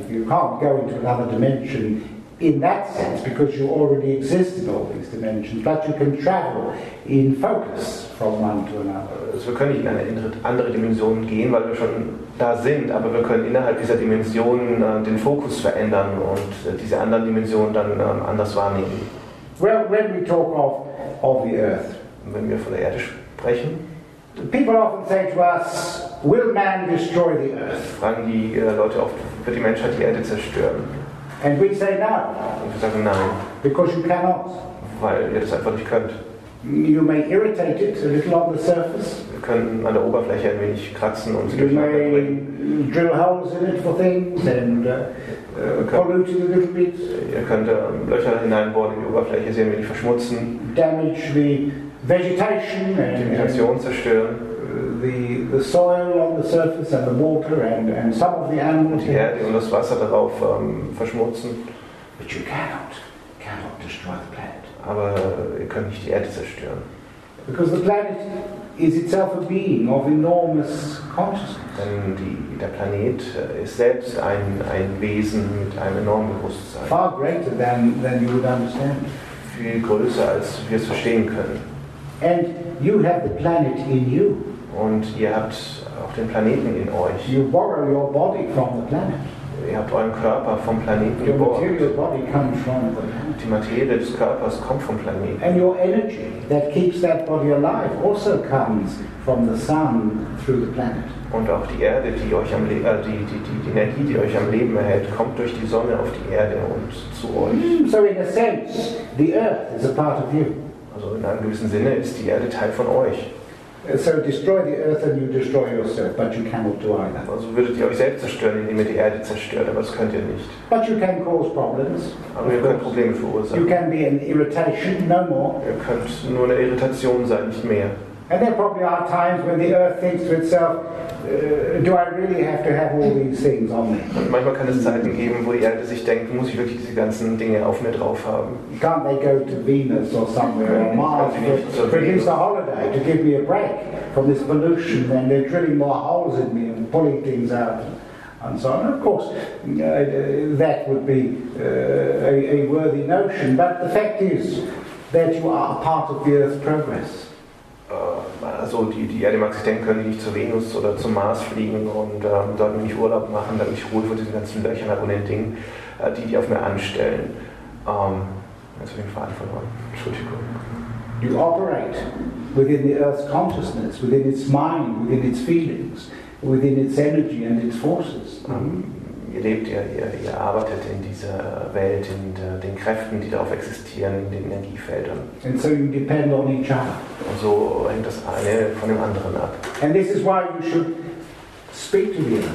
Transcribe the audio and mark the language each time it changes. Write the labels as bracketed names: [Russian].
[English] You can't go into another dimension in that sense, because you already exist in all these dimensions, but you can travel in focus from one to another. [German] Also wir können nicht in eine andere Dimension gehen, weil wir schon da sind, aber wir können innerhalb dieser Dimension den Fokus verändern und diese anderen Dimensionen dann anders wahrnehmen. [English] Well, when we talk of the Earth, [German] wenn wir von der Erde sprechen, [English] people often say to us, will man destroy the Earth? [German] Fragen die Leute oft, wird die Menschheit die Erde zerstören? [English] And we say no. [German] Und wir sagen nein. [English] Because you cannot. [German] Weil ihr das einfach nicht könnt. [English] You may irritate it a little on the surface. [German] Wir können an der Oberfläche ein wenig kratzen und [English] you may drill holes in it for things and pollute it a little bit. [German] Ihr könnt Löcher hineinbohren in die Oberfläche, sie ein wenig verschmutzen. [English] Damage the vegetation and [German] die Vegetation zerstören. [English] The soil on the surface and the water and some of the animals. [German] Die Erde und das Wasser darauf verschmutzen. [English] But you cannot destroy the planet. [German] Aber ihr könnt nicht die Erde zerstören. [English] Because the planet is itself a being of enormous consciousness. [German] Denn der Planet ist selbst ein Wesen mit einem enormen Bewusstsein. [English] Far greater than you would understand. [German] Viel größer als wir es verstehen können. [English] And you have the planet in you. [German] Und ihr habt auch den Planeten in euch. [English] You borrow your body from the planet. [German] Ihr habt euren Körper vom Planeten [English] your [German] geborgt. [English] Material body comes from the planet. [German] Die Materie des Körpers kommt vom Planeten. [English] And your energy that keeps that body alive also comes from the sun through the planet. [German] Und auch die Erde, die euch am Leben, die Energie, die euch am Leben erhält, kommt durch die Sonne auf die Erde und zu euch. [English] So in a sense, the Earth is a part of you. [German] Also in einem gewissen Sinne ist die Erde Teil von euch. [English] So destroy the Earth and you destroy yourself, but you cannot do either. [German] Also würdet ihr euch selbst zerstören, indem ihr die Erde zerstört, aber das könnt ihr nicht. [English] But you can cause problems. [German] Aber ihr könnt Probleme verursachen. [English] You can be an irritation, no more. [German] Ihr könnt nur eine Irritation sein, nicht mehr. [English] And there probably are times when the Earth thinks to itself, do I really have to have all these things on me? [German] Und manchmal kann es Zeiten geben, wo die Erde sich denkt, muss ich wirklich diese ganzen Dinge auf mir drauf haben? [English] Can't they go to Venus or somewhere or Mars to produce a holiday to give me a break from this pollution? Then they're drilling more holes in me and pulling things out and so on. And of course, that would be a worthy notion. But the fact is that you are part of the Earth's progress. [German] Also die Erde mag sich denken, können die nicht zu Venus oder zum Mars fliegen und dort nämlich Urlaub machen, damit ich Ruhe vor diesen ganzen Löchern habe und den Dingen, die auf mir anstellen. Jetzt habe ich den Faden verloren. Entschuldigung. [English] You operate within the Earth's consciousness, within its mind, within its feelings, within its energy and its forces. [German] Ihr lebt ja, ihr arbeitet in dieser Welt, in den Kräften, die darauf existieren, in den Energiefeldern. [English] And so you depend on each other. [German] Und so hängt das eine von dem anderen ab. [English] And this is why you should speak to me.